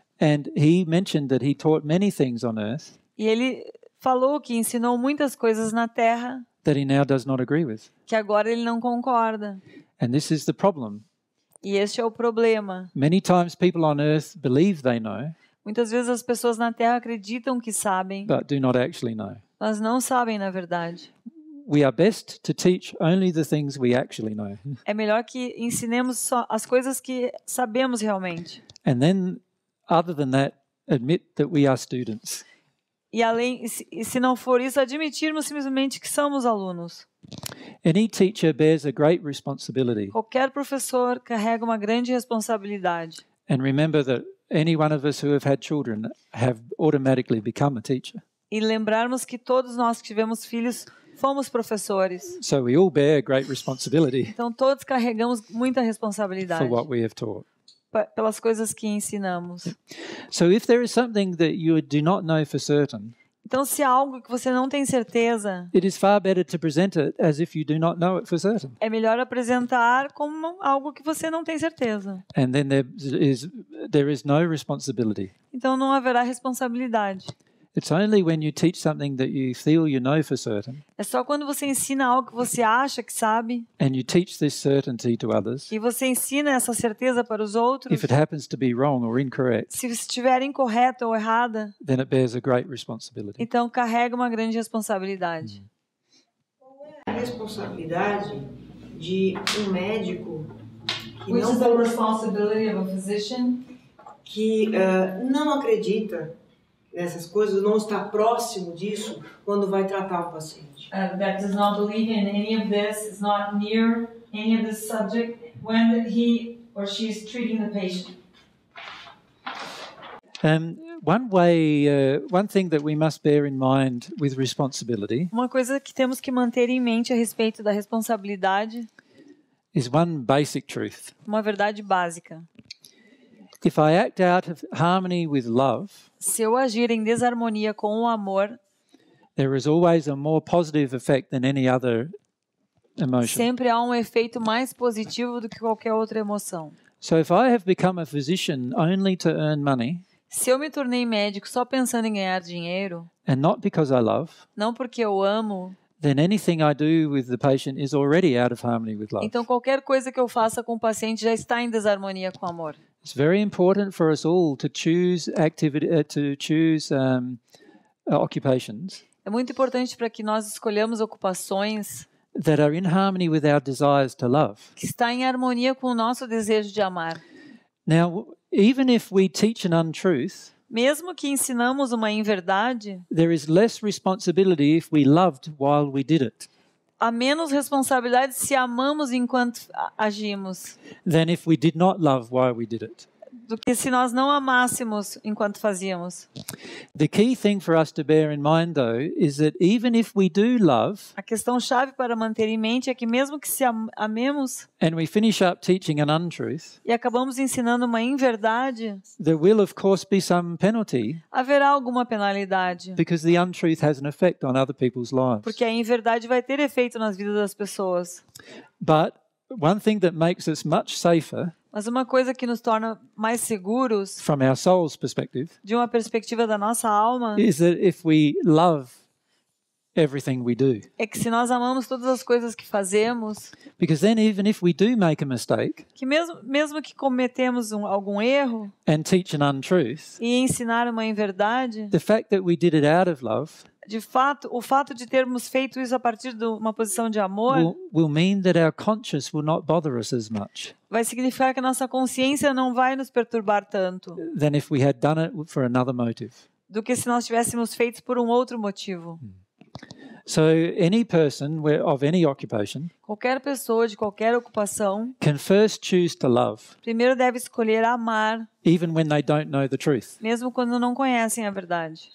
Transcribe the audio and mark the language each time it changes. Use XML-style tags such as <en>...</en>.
<en>And he mentioned that he taught many things on earth.</en> <pt>E ele falou que ensinou muitas coisas na Terra</pt> <en>that he now does not agree with.</en> <pt>Que agora ele não concorda.</pt> <en>And this is the problem.</en> <pt>E este é o problema.</pt> <en>Many times people on earth believe they know,</en> <pt>muitas vezes as pessoas na Terra acreditam que sabem,</pt> <en>but do not actually know.</en> <pt>Mas não sabem na verdade.</pt> <en>We are best to teach only the things we actually know.</en> <pt>É melhor que ensinemos só as coisas que sabemos realmente.</pt> <en>And then, other than that, admit that we are students.</en> <pt>E além, se não for isso, admitirmos simplesmente que somos alunos.</pt> <en>Any teacher bears a great responsibility.</en> <pt>Qualquer professor carrega uma grande responsabilidade.</pt> <en>And remember that any one of us who have had children have automatically become a teacher.</en> <pt>E lembrarmos que todos nós que tivemos filhos fomos professores.</pt> <en>So we all bear great responsibility.</en> <pt>Então todos carregamos muita responsabilidade.</pt> <en>For what we have taught.</en> <pt>Pelas coisas que ensinamos.</pt> <en>So if there is something that you do not know for certain,</en> <pt>então se há algo que você não tem certeza,</pt> <en>it is far better to present it as if you do not know it for certain.</en> <pt>É melhor apresentar como algo que você não tem certeza.</pt> <en>And then there is no responsibility.</en> <pt>Então não haverá responsabilidade.</pt> <en>It's only when you teach something that you feel you know for certain.</en> <pt>É só quando você ensina algo que você acha que sabe.</pt> <en>And you teach this certainty to others.</en> <pt>E você ensina essa certeza para os outros.</pt> <en>If it happens to be wrong or incorrect.</en> <pt>Se estiver incorreta ou errada.</pt> <en>Then it bears a great responsibility.</en> <pt>Então carrega uma grande responsabilidade. Qual é a responsabilidade de um médico?</pt> <en>Which is the responsibility of a physician?</en> <pt>Que não acredita nessas coisas, não está próximo disso quando vai tratar o paciente.</pt> <en>That does not believe in any of this, is not near any of this subject when he or she is treating the patient. One thing that we must bear in mind with responsibility.</en> <pt>Uma coisa que temos que manter em mente a respeito da responsabilidade.</pt> <en>Is one basic truth.</en> <pt>Uma verdade básica.</pt> <en>If I act out of harmony with love,</en> <pt>se eu agir em desarmonia com o amor,</pt> <en>there is always a more positive effect than any other emotion.</en> <pt>Sempre há um efeito mais positivo do que qualquer outra emoção.</pt> <en>So if I have become a physician only to earn money,</en> <pt>se eu me tornei médico só pensando em ganhar dinheiro,</pt> <en>and not because I love,</en> <pt>não porque eu amo,</pt> <en>then anything I do with the patient is already out of harmony with love.</en> <pt>Então qualquer coisa que eu faça com o paciente já está em desarmonia com o amor.</pt> <en>It's very important for us all to choose occupations.</en> <pt>É muito importante para que nós escolhamos ocupações</pt> <en>that are in harmony with our desires to love.</en> <pt>Que está em harmonia com o nosso desejo de amar.</pt> <en>Now, even if we teach an untruth,</en> <pt>mesmo que ensinamos uma inverdade,</pt> <en>there is less responsibility if we loved while we did it.</en> <pt>Há menos responsabilidade se amamos enquanto agimos.</pt> <en>Than if we did not love while we did it.</en> <pt>Do que se nós não amássemos enquanto fazíamos.</pt> <en>The key thing for us to bear in mind though is that even if we do love,</en> <pt>a questão chave para manter em mente é que mesmo que se amemos,</pt> <en>and we finish up teaching an untruth,</en> <pt>e acabamos ensinando uma inverdade,</pt> <en>there will of course be some penalty,</en> <pt>haverá alguma penalidade,</pt> <en>because the untruth has an effect on other people's lives.</en> <pt>Porque a inverdade vai ter efeito nas vidas das pessoas.</pt> <en>But one thing that makes us much safer,</en> <pt>mas uma coisa que nos torna mais seguros,</pt> <en>from our soul's perspective,</en> <pt>de uma perspectiva da nossa alma,</pt> <en>is that if we love everything we do,</en> <pt>é que se nós amamos todas as coisas que fazemos,</pt> <en>because then even if we do make a mistake,</en> <pt>que mesmo que cometemos algum erro,</pt> <en>and teach an untruth,</en> <pt>e ensinar uma inverdade,</pt> <en>the fact that we did it out of love,</en> <pt>de fato, o fato de termos feito isso a partir de uma posição de amor</pt> <en>will mean that our conscience will not bother us as much.</en> <pt>Vai significar que a nossa consciência não vai nos perturbar tanto.</pt> <en>Than if we had done it for another motive.</en> <pt>Do que se nós tivéssemos feito por um outro motivo.</pt> <en>So any person of any occupation,</en> <pt>qualquer pessoa de qualquer ocupação,</pt> <en>can first choose to love,</en> <pt>primeiro deve escolher amar,</pt> <en>even when they don't know the truth,</en> <pt>mesmo quando não conhecem a verdade.</pt>